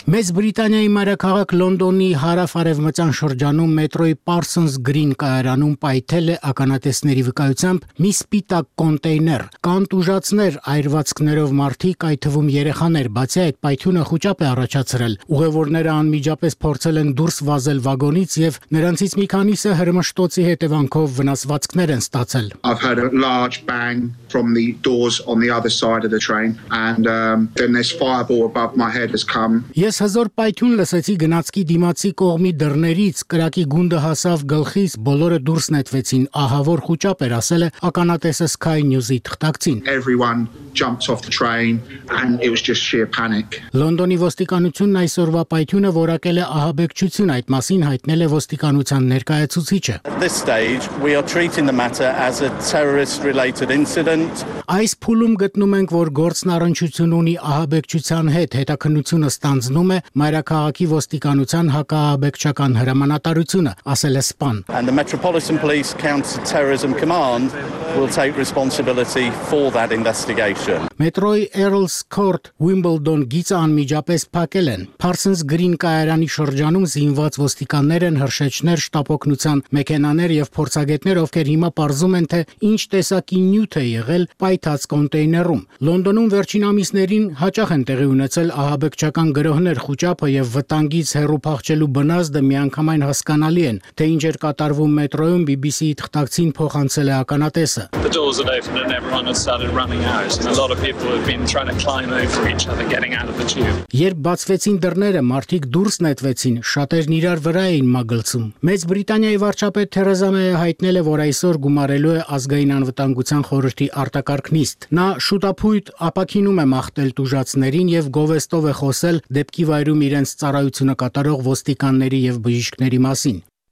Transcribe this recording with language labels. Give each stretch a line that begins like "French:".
Armenian: Մեծ Բրիտանիայի մայրաքաղաք Լոնդոնի հարավ-արևմտյան շրջանում մետրոյի Պարսոնս Գրին կայարանում պայթել է ականատեսների վկայությամբ մի սպիտակ կոնտեյներ, կան տուժածներ, այրվածքներով մարդիկ, այդ թվում երեխաներ, բացի այդ պայթյունը խուճապ է առաջացրել։ Ուղևորները անմիջապես փորձել են դուրս վազել վագոնից և նրանցից մի քանիսը հրմշտոցի հետևանքով վնասվածքներ են ստացել։
English: I've heard a large bang from the doors on the other side of the train and then this fireball above my head has come.
Armenian: Ես հզոր պայթյուն լսեցի գնացքի դիմացի կողմի դռներից, կրակի գունդը հասավ գլխի, բոլորը դուրս նետվեցին, ահավոր խուճապ էր, ասել է ականատեսը Sky News-ի թղթակցին։
English: Everyone jumped off the train and it was just sheer panic.
Armenian: Լոնդոնի ոստիկանությունն այսօրվա պայթյունը որակել է ահաբեկչություն, այդ մասին հայտնել է ոստիկանության ներկայացուցիչը։
English: At this stage we are treating the matter as a terrorist related incident.
Armenian: Այս փուլում գտնում ենք, որ գործն առնչություն ունի ահաբեկչության հետ, հետաքննությունը ստանձնում է մայրաքաղաքի ոստիկանության հակաահաբեկչական հրամանատարությունը, ասել է Span.
English: And the Metropolitan Police Counter-Terrorism Command will take responsibility for that investigation.
Armenian: Մետրոյի Earl's Court Wimbledon գիծը անմիջապես փակել են։ Parsons Green կայարանի շրջանում զինված ոստիկաններ են, հրշեջներ, շտապօգնության մեքենաներ եւ փորձագետներ, ովքեր հիմա պարզում են, թե ինչ տեսակի նյութ է եղել պայթած կոնտեյներում։ Լոնդոնում վերջին ամիսներին հաճախ են տեղի ունեցել ահաբեկչական գրոհներ, խուճապը եւ վտանգից հեռու փախչելու բնազդը միանգամայն հասկանալի են, թե ինչ էր կատարվում մետրոյում, BBC-ի թղթակցին փոխանցել է ականատեսը։
English: The doors are open and everyone has started running out and a lot of people have been trying to climb over each other getting out of the tube.
Armenian: Երբ բացվեցին դռները, մարդիկ դուրս նետվեցին, շատերն իրար վրա էին մագլցում։ Մեծ Բրիտանիայի վարչապետ Թերեզա Մեյը հայտնել է, որ այսօր գումարելու է ազգային անվտանգության խորհրդի արտակարգ նիստ։ Նա շուտապույտ ապակինում է մաղթել տուժածներին և գովեստով է խոսել դեպքի վայրում իրենց ծառայությունը կատարող ոստիկանների և բժիշկների մասին։